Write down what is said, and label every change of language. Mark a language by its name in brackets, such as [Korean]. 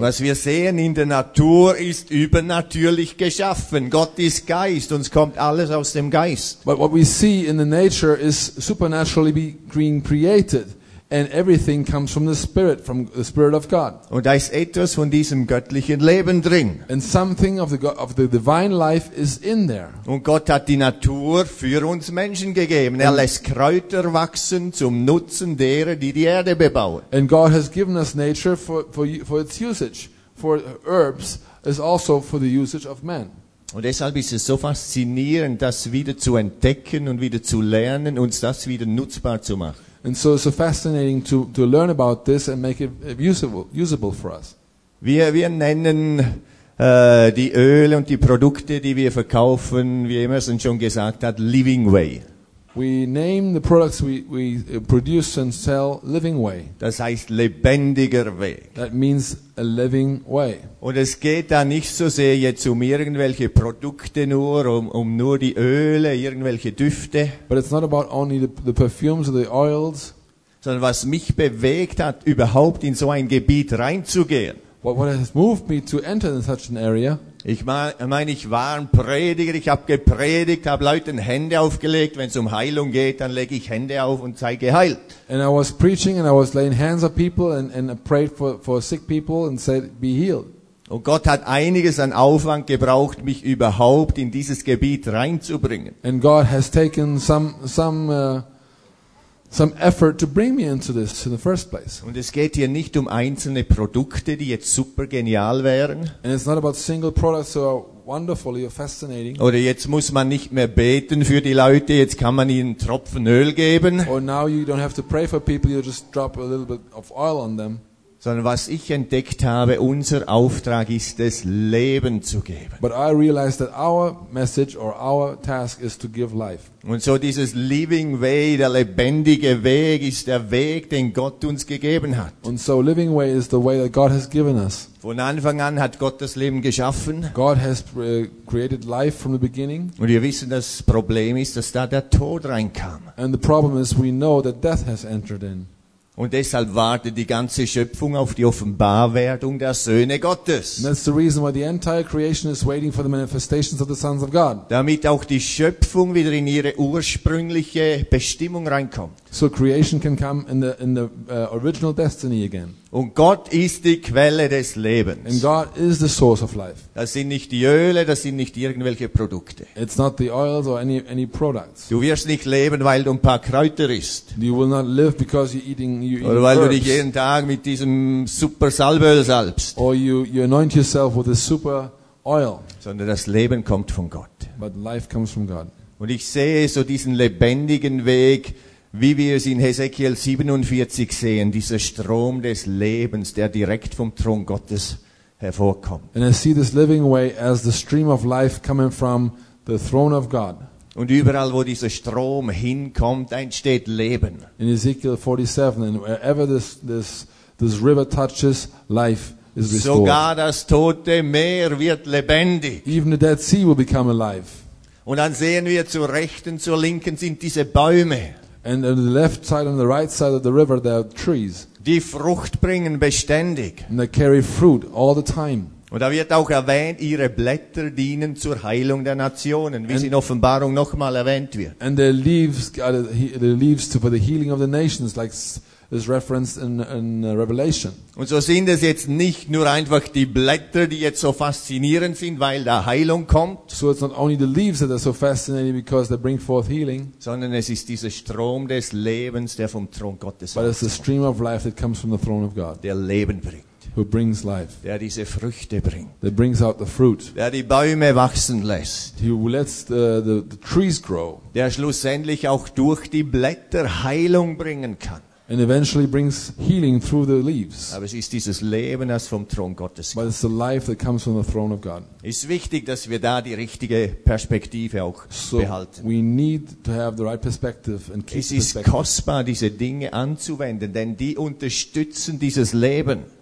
[German] Was wir sehen in der Natur ist übernatürlich geschaffen. Gott ist Geist, uns kommt alles aus dem Geist. [English] But what we see in the nature is supernaturally being created. And everything comes from the Spirit of God. [German] Und da ist etwas von diesem göttlichen Leben drin. [English] And something of the divine life is in there. [German] Und Gott hat die Natur für uns Menschen gegeben. Er lässt Kräuter wachsen zum Nutzen derer, die die Erde bebauen. [English] And God has given us nature for its usage, for herbs, as also for the usage of man. [German] Und deshalb ist es so faszinierend, das wieder zu entdecken und wieder zu lernen und das wieder nutzbar zu machen. [English] And so it's so fascinating to learn about this and make it usable for us. [German] Wir nennen die Öle und die Produkte, die wir verkaufen, wie Emerson schon gesagt hat, Living Way. [English] We name the products we produce and sell Living Way. [German] Das heißt lebendiger Weg. [English] That means a living way. [German] Und es geht da nicht so sehr jetzt um irgendwelche Produkte nur, um nur die Öle, irgendwelche Düfte. [English] But it's not about only the perfumes or the oils. [German] Sondern was mich bewegt hat, überhaupt in so ein Gebiet reinzugehen. [English] What has moved me to enter in such an area? [German] Ich war ein Prediger, ich habe gepredigt, habe Leuten Hände aufgelegt. Wenn es um Heilung geht, dann lege ich Hände auf und sei geheilt. [English] And I was preaching and I was laying hands on people and I prayed for sick people and said, be healed. [German] Und Gott hat einiges an Aufwand gebraucht, mich überhaupt in dieses Gebiet reinzubringen. [English] And God has taken some effort to bring me into this in the first place. [German] Und es geht hier nicht um einzelne Produkte, die jetzt super genial wären. [English] And it's not about single products that are wonderful or fascinating. [German] Oder jetzt muss man nicht mehr beten für die Leute, jetzt kann man ihnen Tropfen Öl geben. [English] Or now you don't have to pray for people, you just drop a little bit of oil on them. [German] Sondern was ich entdeckt habe, unser Auftrag ist es, Leben zu geben. [English] But I realized that our message or our task is to give life. [German] Und so dieses Living Way, der lebendige Weg, ist der Weg, den Gott uns gegeben hat. [English] And so Living Way is the way that God has given us. [German] Von Anfang an hat Gott das Leben geschaffen. [English] God has created life from the beginning. [German] Und wir wissen, das Problem ist, dass da der Tod reinkam. [English] And the problem is we know that death has entered in. [German] Und deshalb wartet die ganze Schöpfung auf die Offenbarwerdung der Söhne Gottes. [English] And that's the reason why the entire creation is waiting for the manifestations of the sons of God. [German] Damit auch die Schöpfung wieder in ihre ursprüngliche Bestimmung reinkommt. [English] So creation can come in the original destiny again. [German] Und Gott ist die Quelle des Lebens. [English] And God is the source of life. [German] Das sind nicht die Öle, das sind nicht irgendwelche Produkte. [English] It's not the oils or any products. [German] Du wirst nicht leben, weil du ein paar Kräuter isst. [English] You will not live because you're eating herbs. [German] Oder weil du dich jeden Tag mit diesem super Salböl salbst. [English] Or you anoint yourself with a super oil. [German] Sondern das Leben kommt von Gott. [English] But life comes from God. [German] Und ich sehe so diesen lebendigen Weg, wie wir es in Hesekiel 47 sehen, dieser Strom des Lebens, der direkt vom Thron Gottes hervorkommt. [English] And I see this living way as the stream of life coming from the throne of God. [German] Und überall, wo dieser Strom hinkommt, entsteht Leben. [English] In Ezekiel 47, and wherever this river touches, life is restored. [German] Sogar das tote Meer wird lebendig. [English] Even the Dead Sea will become alive. [German] Und dann sehen wir, zur Rechten, zur Linken sind diese Bäume. [English] And on the left side and the right side of the river there are trees. [German] Die Frucht bringen beständig. [English] And they carry fruit all the time. [German] Und da wird auch erwähnt, ihre Blätter dienen zur Heilung der Nationen, wie es in Offenbarung nochmal erwähnt wird. [English] And the leaves for the healing of the nations, like is referenced in Revelation. [German] Und so sind es jetzt nicht nur einfach die Blätter, die jetzt so faszinierend sind, weil da Heilung kommt. [English] So it's not only the leaves that are so fascinating because they bring forth healing. [German] Sondern es ist dieser Strom des Lebens, der vom Thron Gottes kommt. [English] But it's the stream of life that comes from the throne of God. [German] Der Leben bringt. [English] Who brings life. [German] Der diese Früchte bringt. [English] That brings out the fruit. [German] Der die Bäume wachsen lässt. [English] Who lets the trees grow. [German] Der schlussendlich auch durch die Blätter Heilung bringen kann. [English] and eventually brings healing through the leaves. [German] Aber es ist dieses Leben, das vom Thron Gottes kommt. [English] But it's the life that comes from the throne of God. [German] Es ist wichtig, dass wir da die richtige Perspektive auch behalten. [English] We need to have the right perspective and keep [German] es ist [English] perspective. [German] Kostbar, diese Dinge anzuwenden, denn die unterstützen dieses Leben.